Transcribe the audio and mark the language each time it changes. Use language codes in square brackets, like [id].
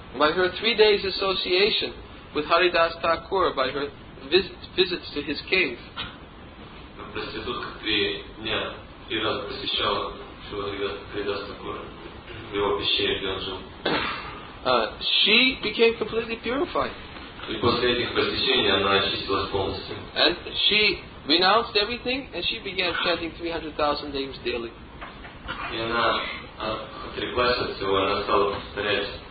[en] By her 3 days association with Haridas Thakur, by her visits to his cave. [ru] Проститутка 3 дня, 3 раза посещала Haridas Thakur, его пещере, где он жил. [en] She became completely purified. [ru] И после этих посещений она очистилась полностью. [en] And she renounced everything and she began chanting 300,000 names daily. [ru] И она отреклась от всего, она стала повторять.